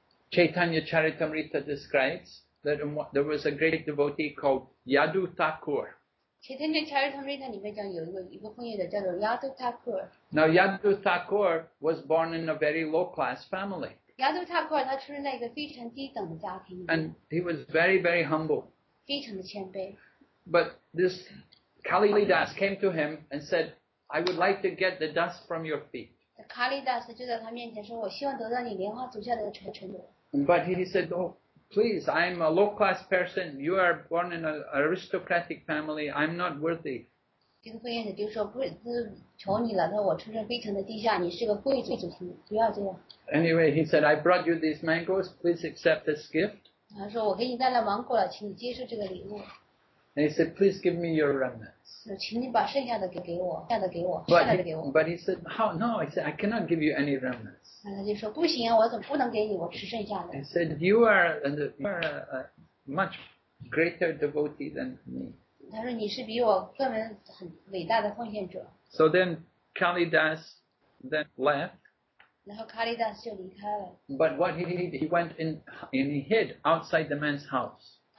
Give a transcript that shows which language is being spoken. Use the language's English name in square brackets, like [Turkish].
[English] Chaitanya Charitamrita describes that there was a great devotee called Yadu Thakur. [Chinese] Chaitanya Charitamrita 里面讲有一个奉献者叫做 Yadu Thakur. [English] Now Yadu Thakur was born in a very low class family. [Chinese] Yadu Thakur 他出生在一个非常低等的家庭。 [English] And he was very very humble. [Chinese] 非常的谦卑。 [English] But this Kalidas came to him and said, "I would like to get the dust from your feet." [Chinese] Kalidas 就在他面前说，我希望得到你莲花足下的尘土。 [English] But he said, "Oh, please, I'm a low class person. You are born in an aristocratic family. I'm not worthy." [Chinese] 这个奉献者就说，不，求你了，我出身非常的低下，你是个贵族子弟，不要这样。 [English] Anyway, he said, "I brought you these mangoes. Please accept this gift." [Chinese] 他说，我给你带了芒果了，请你接受这个礼物。 [English] And he said, "Please give me your remnants." [Chinese] 请你把剩下的给我，剩下的给我。 [English] But he said, "How? No." He said, "I cannot give you any remnants." [Chinese] 他就说不行啊，我怎么不能给你？我吃剩下的。 [English] He said, "You are a much greater devotee than me." [Chinese] 他说你是比我更为很伟大的奉献者。 [English] So then, Kalidas then left. [Chinese] 然后 Kalidas 就离开了。 [English] But what he did, he went and he hid outside the man's house.